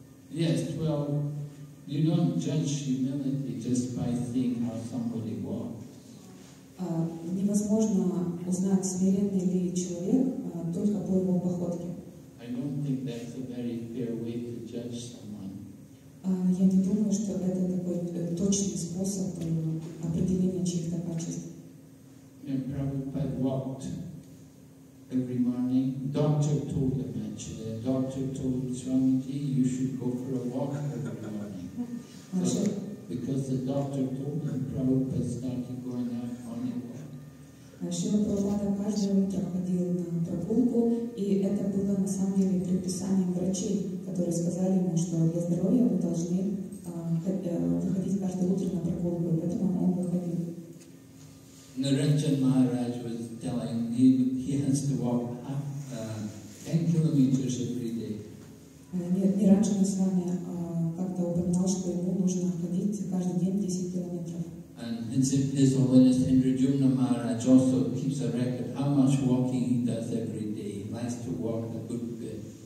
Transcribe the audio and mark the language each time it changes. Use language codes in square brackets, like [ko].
[en] Yes, well, you don't judge humility just by seeing how somebody walks. [ru] Невозможно узнать, смиренный ли человек только по его походке. [en] I don't think that's a very fair way to judge someone. [ru] Я не думаю, что это такой точный способ определения чьих-то качеств. [en] And Prabhupada walked every morning. Doctor told him actually. A doctor told Swamiji, you should go for a walk every morning. So, because the doctor told him, Prabhupada started going out on a walk. [ru] Шрила Прабхупада каждое утро ходил на прогулку, и это было на самом деле предписанием врачей, которые сказали ему, что для здоровья вы должны выходить каждое утро на прогулку, и поэтому он выходил. [en] Наранджан Махарадж was telling him he has to walk 10 kilometers every day. [ru] Нет, Наранджан с вами как-то упоминал, что ему нужно ходить каждый день 10 километров. [en] And His Holiness Indrajumna Maharaj also keeps a record how much walking he does every day. He likes to walk a good bit.